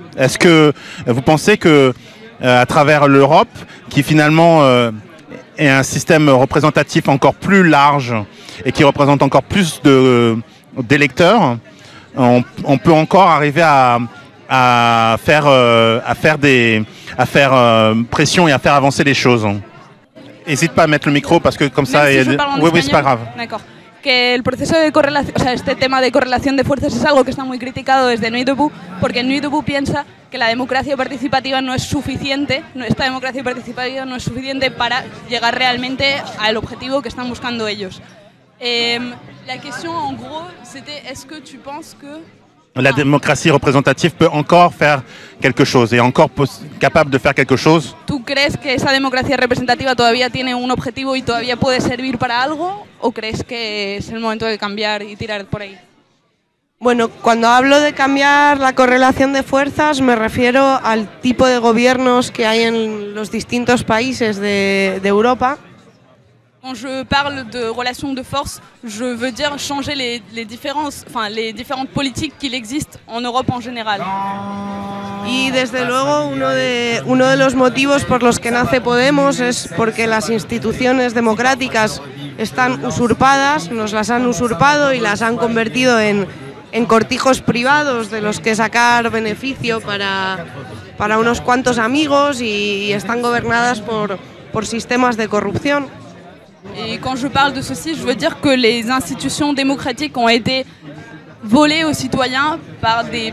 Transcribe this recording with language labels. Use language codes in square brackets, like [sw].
[fr] Est-ce que vous pensez que à travers l'Europe, qui finalement est un système représentatif encore plus large et qui représente encore plus d'électeurs, on peut encore arriver à faire pression et à faire avancer les choses. N'hésite pas à mettre le micro parce que comme même ça, si y a... oui, c'est pas grave. D'accord. [es] Que el proceso de correlación, o sea, este tema de correlación de fuerzas es algo que está muy criticado desde Nuit Debout, porque Nuit Debout piensa que la democracia participativa no es suficiente, esta democracia participativa no es suficiente para llegar realmente al objetivo que están buscando ellos. La cuestión, [fr] en gros, c'était, [es] ¿es que tú piensas que la democracia representativa puede [fr] encore faire quelque chose y encore capable de faire quelque chose? [es] ¿Tú crees que esa democracia representativa todavía tiene un objetivo y todavía puede servir para algo? ¿O crees que es el momento de cambiar y tirar por ahí? Bueno, cuando hablo de cambiar la correlación de fuerzas, me refiero al tipo de gobiernos que hay en los distintos países de Europa. [fr] Quand je parle de relations de force, je veux dire changer les différentes politiques qu'il existe en Europe en général. [es] Y desde luego uno de los motivos por los que nace Podemos es porque las instituciones democráticas están usurpadas, nos las han usurpado y las han convertido en cortijos privados de los que sacar beneficio para unos cuantos amigos y están gobernadas por sistemas de corrupción. [fr] Et quand je parle de ceci, je veux dire que les institutions démocratiques ont été volées aux citoyens par